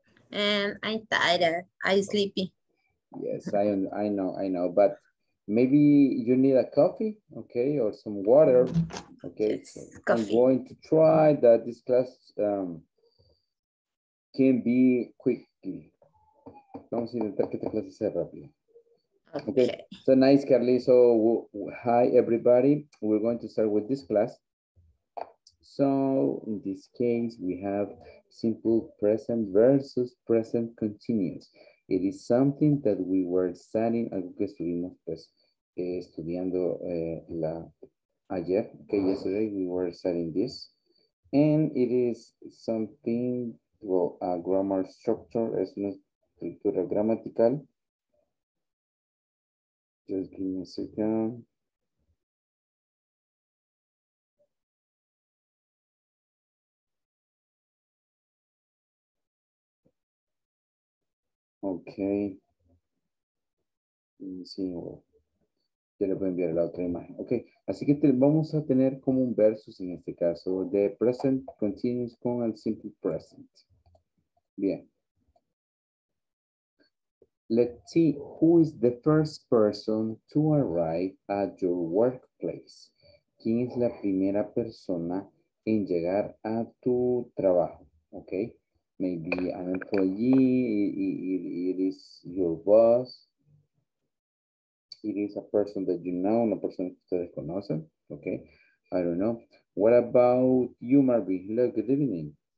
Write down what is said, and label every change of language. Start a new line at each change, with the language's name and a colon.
English: I'm tired. I'm sleepy. Yes, I know, but maybe you need a coffee, okay, or some water, okay. Yes, so coffee. I'm going to try that this class can be quickly.
Spanish: Vamos a intentar que esta clase sea rápida.
English: Okay. So nice, Carly. So hi, everybody. We're going to start with this class. So in this case, we have simple present versus present continuous. It is something that we were studying,
Spanish: algo que estuvimos pues, estudiando ayer,
English: okay, yesterday we were studying this. And it is something, well, a grammar structure,
Spanish: es una estructura gramatical.
English: Just give me a second.
Spanish: Okay, ya le voy a enviar la otra imagen. Okay, así que vamos a tener como un versus en este caso de present continuous con el simple present. Bien.
English: Let's see who is the first person to arrive at your workplace.
Spanish: ¿Quién es la primera persona en llegar a tu trabajo? Okay,
English: maybe an employee, it is your boss, it is a person that you know,
Spanish: una persona que ustedes conocen,
English: okay? I don't know. What about you, Marvin? Hello, good evening.